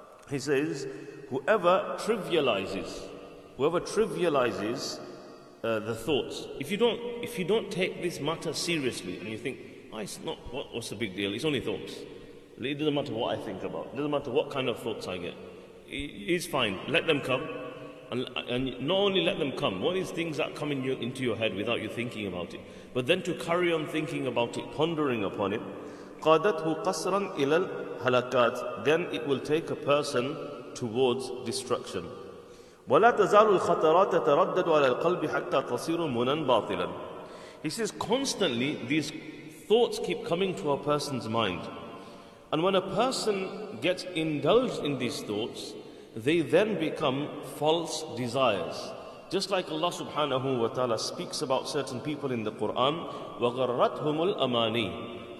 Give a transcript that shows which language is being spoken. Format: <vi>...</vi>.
<en>He says, whoever trivializes the thoughts, if you don't take this matter seriously, and you think, oh, it's not, what's the big deal, it's only thoughts, it doesn't matter what I think about, it doesn't matter what kind of thoughts I get, it's fine. Let them come. And not only let them come, one is things that come into your head without you thinking about it. But then to carry on thinking about it, pondering upon it.</en> <ar>قَادَتْهُ قَصْرًا إِلَى الْهَلَكَاتِ.</ar> <en>Then it will take a person towards destruction.</en> <ar>وَلَا تَزَالُ الْخَطَرَاتَ تَتَرَدَّدُ عَلَى الْقَلْبِ حَتَّى تَصِيرُ مُنًا بَاطِلًا.</ar> <en>He says, constantly these thoughts keep coming to a person's mind. And when a person gets indulged in these thoughts, they then become false desires. Just like Allah subhanahu wa ta'ala speaks about certain people in the Quran,</en> <ar>وَغَرَّتْهُمُ الْأَمَانِي.</ar>